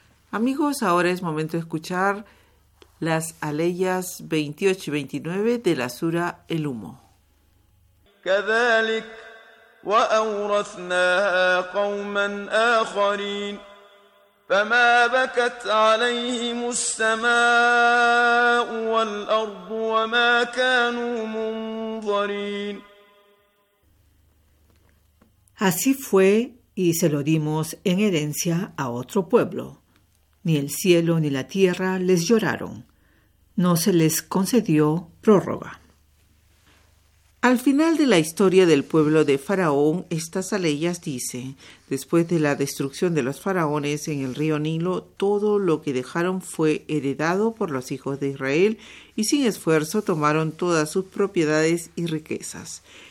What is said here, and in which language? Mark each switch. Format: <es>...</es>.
<es>Amigos, ahora es momento de escuchar las aleyas 28 y 29 de la sura El Humo.</es> <ar>كذلك وأورثناها قوما آخرين فما بكت عليهم السماء والأرض وما كانوا منظرين.</ar> <es>Así fue y se lo dimos en herencia a otro pueblo. Ni el cielo ni la tierra les lloraron. No se les concedió prórroga. Al final de la historia del pueblo de Faraón, estas aleyas dicen, después de la destrucción de los faraones en el río Nilo, todo lo que dejaron fue heredado por los hijos de Israel y sin esfuerzo tomaron todas sus propiedades y riquezas.</es>